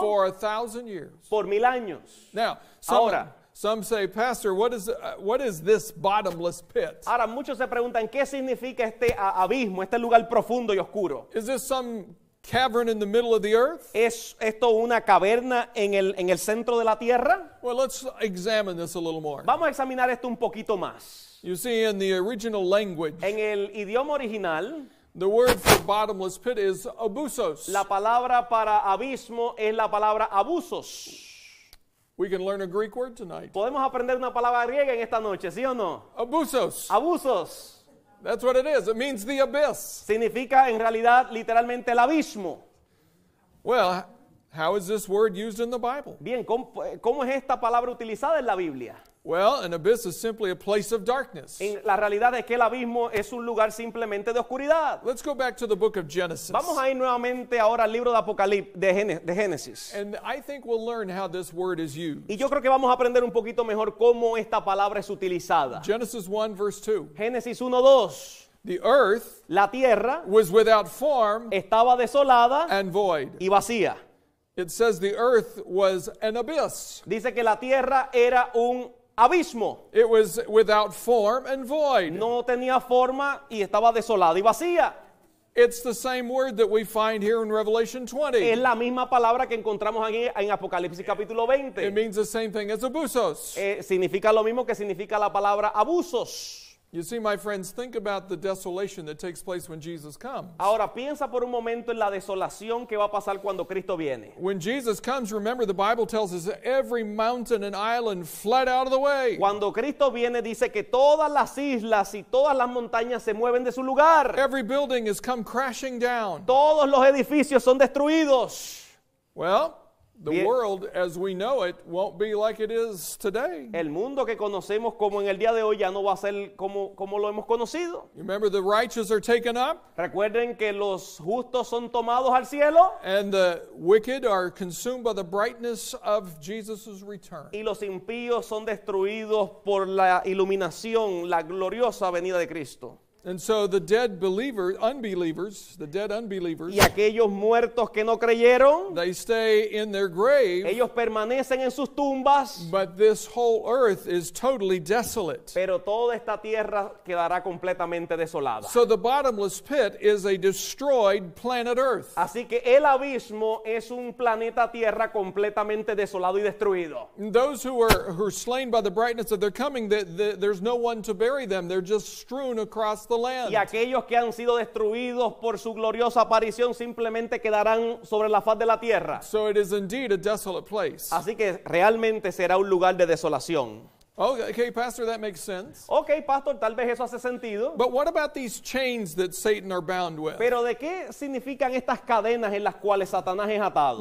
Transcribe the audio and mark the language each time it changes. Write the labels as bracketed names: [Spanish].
[English] For 1,000 years. [Spanish] Por 1,000 años. [English] Now, [Spanish] ahora. [English] Some say, Pastor, what is this bottomless pit? [Spanish] Ahora muchos se preguntan qué significa este abismo, este lugar profundo y oscuro. [English] Is this some cavern in the middle of the earth? [Spanish] ¿Es esto una caverna en el centro de la tierra? [English] Well, let's examine this a little more. [Spanish] Vamos a examinar esto un poquito más. [English] You see, in the original language, [Spanish] en el idioma original, [English] the word for bottomless pit is abusos. [Spanish] La palabra para abismo es la palabra abusos. [English] We can learn a Greek word tonight. [Spanish] Podemos aprender una palabra griega en esta noche, ¿sí o no? [Greek] Abusos. Abusos. [English] That's what it is. It means the abyss. [Spanish] Significa en realidad literalmente el abismo. [English] Well, how is this word used in the Bible? [Spanish] Bien, ¿cómo es esta palabra utilizada en la Biblia? [English] Well, an abyss is simply a place of darkness. [Spanish] En la realidad es que el abismo es un lugar simplemente de oscuridad. [English] Let's go back to the book of Genesis. [Spanish] Vamos a ir nuevamente ahora al libro de Génesis. [English] And I think we'll learn how this word is used. [Spanish] Y yo creo que vamos a aprender un poquito mejor cómo esta palabra es utilizada. [English] Genesis 1 verse 2. [Spanish] Génesis 1:2. [English] The earth, [Spanish] la tierra, [English] was without form, [Spanish] estaba desolada, [English] and void, [Spanish] y vacía. [English] It says the earth was an abyss. [Spanish] Dice que la tierra era un abismo. [English] It was without form and void. [Spanish] No tenía forma y estaba desolada y vacía. [English] It's the same word that we find here in Revelation 20. [Spanish] Es la misma palabra que encontramos aquí en Apocalipsis capítulo 20. [English] It means the same thing as abusos. [Spanish] Significa lo mismo que significa la palabra abusos. [English] You see, my friends, think about the desolation that takes place when Jesus comes. [Spanish] Ahora piensa por un momento en la desolación que va a pasar cuando Cristo viene. [English] When Jesus comes, remember the Bible tells us that every mountain and island fled out of the way. [Spanish] Cuando Cristo viene, dice que todas las islas y todas las montañas se mueven de su lugar. [English] Every building has come crashing down. [Spanish] Todos los edificios son destruidos. [English] Well, the world as we know it won't be like it is today. [Spanish] El mundo que conocemos como en el día de hoy ya no va a ser como lo hemos conocido. [English] You remember the righteous are taken up? [Spanish] Recuerden que los justos son tomados al cielo. [English] And the wicked are consumed by the brightness of Jesus's return. [Spanish] Y los impíos son destruidos por la iluminación, la gloriosa venida de Cristo. [English] And so the dead believers, unbelievers, the dead unbelievers, [Spanish] y aquellos muertos que no creyeron, [English] they stay in their grave. [Spanish] Ellos permanecen en sus tumbas. [English] But this whole earth is totally desolate. [Spanish] Pero toda esta tierra quedará completamente desolada. [English] So the bottomless pit is a destroyed planet Earth. [Spanish] Así que el abismo es un planeta Tierra completamente desolado y destruido. [English] Those who are slain by the brightness of their coming, there's no one to bury them. They're just strewn across the land. [Spanish] Y aquellos que han sido destruidos por su gloriosa aparición simplemente quedarán sobre la faz de la tierra. [English] So it is indeed a desolate place. [Spanish] Así que realmente será un lugar de desolación. [English] Okay, Pastor, that makes sense. [Spanish] Okay, Pastor, tal vez eso hace sentido. [English] But what about these chains that Satan are bound with? [Spanish] Pero ¿de qué significan estas cadenas en las cuales Satanás es atado?